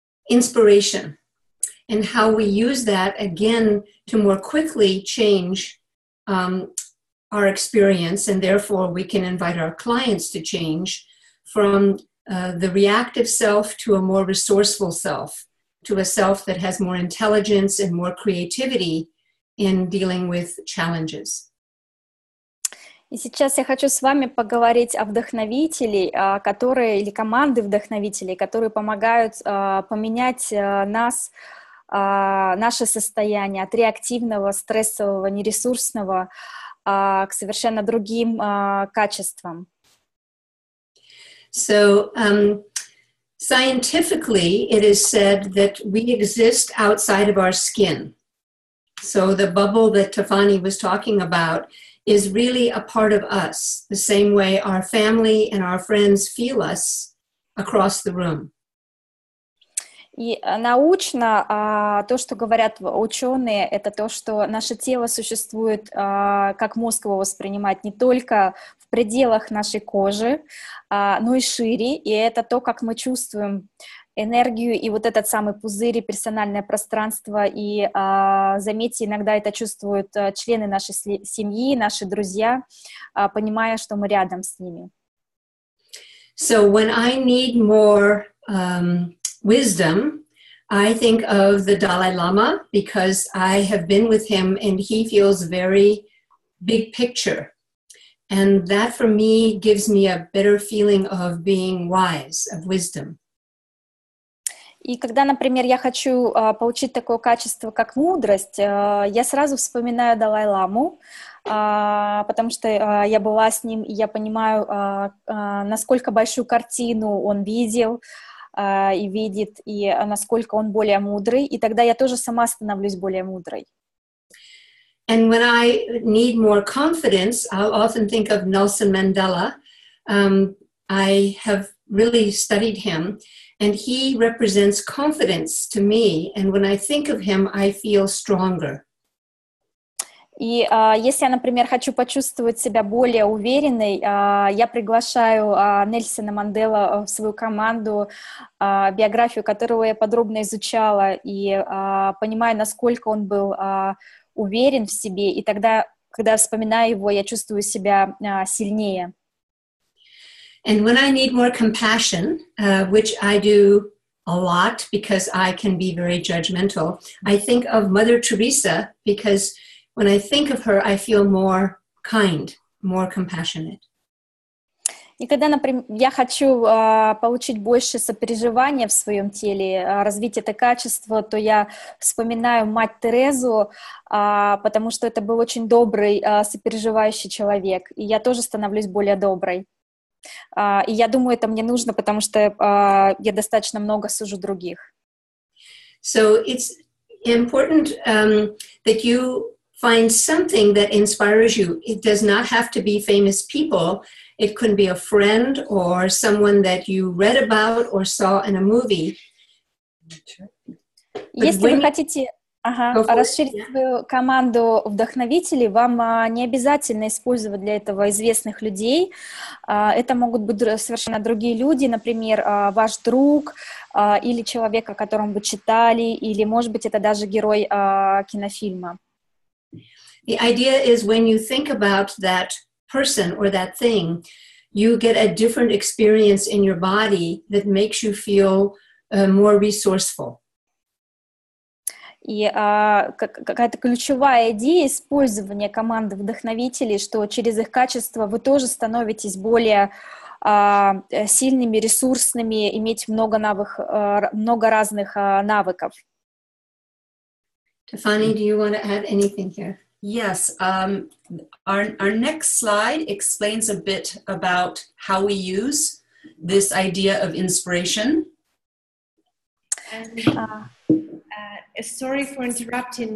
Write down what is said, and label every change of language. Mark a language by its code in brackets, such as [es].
[en] inspiration and how we use that again to more quickly change our experience, and therefore we can invite our clients to change from the reactive self to a more resourceful self, to a self that has more intelligence and more creativity in dealing with challenges. [ru] И сейчас я хочу с вами поговорить о вдохновителей, которые, или команды вдохновителей, которые помогают поменять нас, наше состояние от реактивного, стрессового, нересурсного к совершенно другим качествам. [en] So, scientifically, it is said that we exist outside of our skin. So the bubble that Tiffany was talking about is really a part of us, the same way our family and our friends feel us across the room. [ru] И научно то, что говорят ученые, это то, что наше тело существует, как мозг его воспринимает, не только в пределах нашей кожи, но и шире, и это то, как мы чувствуем энергию и вот этот самый пузырь и персональное пространство, и, заметьте, иногда это чувствуют члены нашей семьи, наши друзья, понимая, что мы рядом с ними. [en] So when I need more wisdom, I think of the Dalai Lama, because I have been with him and he feels very big picture. And that for me gives me a better feeling of being wise, of wisdom. [ru] И когда, например, я хочу получить такое качество, как мудрость, я сразу вспоминаю Далай-ламу, потому что я была с ним, и я понимаю, насколько большую картину он видел и видит, и насколько он более мудрый, и тогда я тоже сама становлюсь более мудрой. [en] And when I need more confidence, I'll often think of Nelson Mandela. I have really studied him. And he represents confidence to me. And when I think of him, I feel stronger. [ru] И если я, например, хочу почувствовать себя более уверенной, я приглашаю Нельсона Мандела в свою команду, биографию которого я подробно изучала, и понимаю, насколько он был уверен в себе. И тогда, когда вспоминаю его, я чувствую себя сильнее. [en] And when I need more compassion, which I do a lot because I can be very judgmental, I think of Mother Teresa, because when I think of her, I feel more kind, more compassionate. [ru] И когда, например, я хочу получить больше сопереживания в своем теле, развить это качество, то я вспоминаю мать Терезу, потому что это был очень добрый, сопереживающий человек, и я тоже становлюсь более доброй. И я думаю, это мне нужно, потому что я достаточно много сужу других. [en] So it's important that you find something that inspires you. It does not have to be famous people. It could be a friend or someone that you read about or saw in a movie. But [ru] если вы хотите расширить свою команду вдохновителей, вам не обязательно использовать для этого известных людей. Это могут быть совершенно другие люди, например, ваш друг или человек, о котором вы читали, или, может быть, это даже герой кинофильма. [en] The idea is when you think about that person or that thing, you get a different experience in your body that makes you feel more resourceful. [ru] И какая-то ключевая идея использования команды вдохновителей, что через их качество вы тоже становитесь более сильными, ресурсными, иметь много навыков, много разных навыков. [en] Tiffany, do you want to add anything here? Yes. Our next slide explains a bit about how we use this idea of inspiration. Sorry for interrupting.